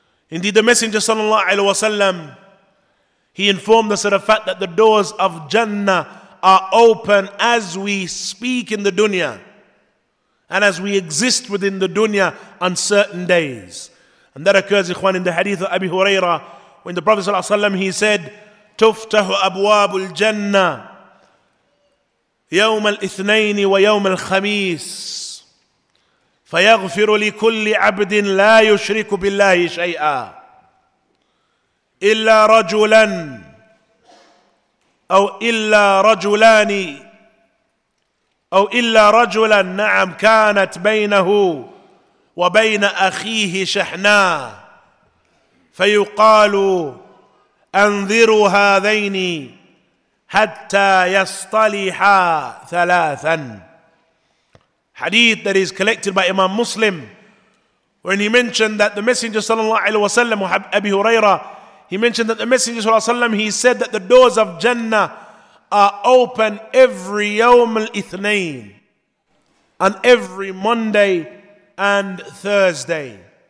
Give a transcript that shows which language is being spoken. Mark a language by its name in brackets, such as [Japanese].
[English] Indeed, the Messenger sallallahu alaihi wasallam, he informed us of the fact that the doors of Jannah are open as we speak in the dunya and as we exist within the dunya on certain days. And that occurs, Ikhwan, in the hadith of Abi Huraira, when the Prophet sallallahu alaihi wasallam, he said, [Arabic] "Tuftahu abwabul Jannah يوم الاثنين ويوم الخميس فيغفر لكل عبد لا يشرك بالله شيئا إلا رجلا أو إلا رجلان أو إلا رجلا نعم كانت بينه وبين أخيه شحناء فيقال أنذروا هذين حتى يصطلحا ثلاثا." [English] Hadith that is collected by Imam Muslim, when he mentioned that the Messenger sallallahu alaihi wasallam, Abi Huraira, he mentioned that the Messenger sallallahu alaihi wasallam, he said that the doors of Jannah are open every yawm al-ithnain, on every Monday and Thursday.